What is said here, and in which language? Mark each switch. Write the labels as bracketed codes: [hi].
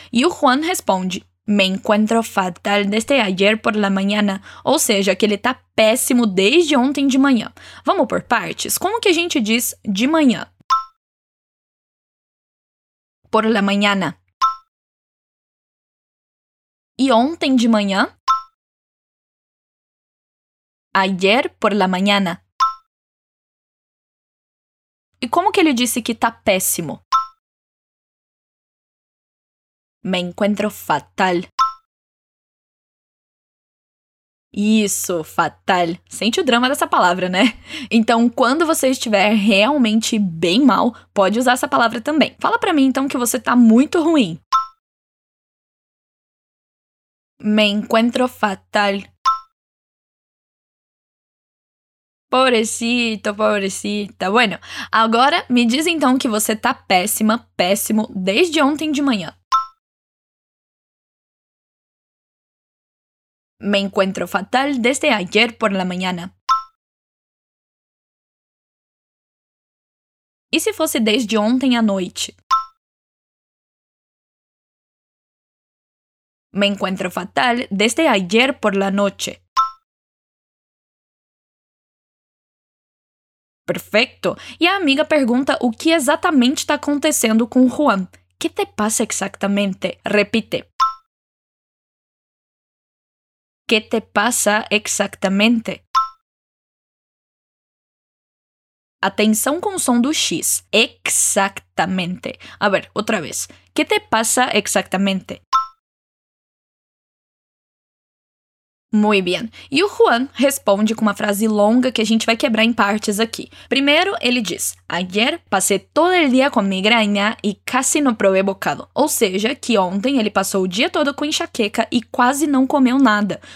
[pt] E o Juan responde, [es] me encuentro fatal desde ayer por la mañana. [pt] Ou seja, que ele tá péssimo desde ontem de manhã. Vamos por partes. Como que a gente diz de manhã? [es] Por la mañana. [pt] E ontem de manhã? [es] Ayer por la mañana. [pt] E como que ele disse que tá péssimo? [es] Me encuentro fatal. [pt] Isso, fatal. Sente o drama dessa palavra, né? Então, quando você estiver realmente bem mal, pode usar essa palavra também. Fala pra mim, então, que você tá muito ruim. [es] Me encuentro fatal. Pobrecito, pobrecita. Bueno, [pt] agora me diz então que você tá péssima, péssimo, desde ontem de manhã. [es] Me encuentro fatal desde ayer por la mañana. [pt] E se fosse desde ontem à noite? [es] Me encuentro fatal desde ayer por la noche. [pt] Perfeito. E a amiga pergunta o que exatamente está acontecendo com Juan. [es] ¿Qué te pasa exactamente? Repite. ¿Qué te pasa exactamente? [pt] Atenção com o som do X. Exactamente. [es] A ver, [pt] outra vez. [es] ¿Qué te pasa exactamente? Muy bien. [pt] E o Juan responde com uma frase longa que a gente vai quebrar em partes aqui. Primeiro, ele diz: [es] Ayer passei todo el día con migraña y casi no probé bocado. [pt] Ou seja, que ontem ele passou o dia todo com enxaqueca e quase não comeu nada.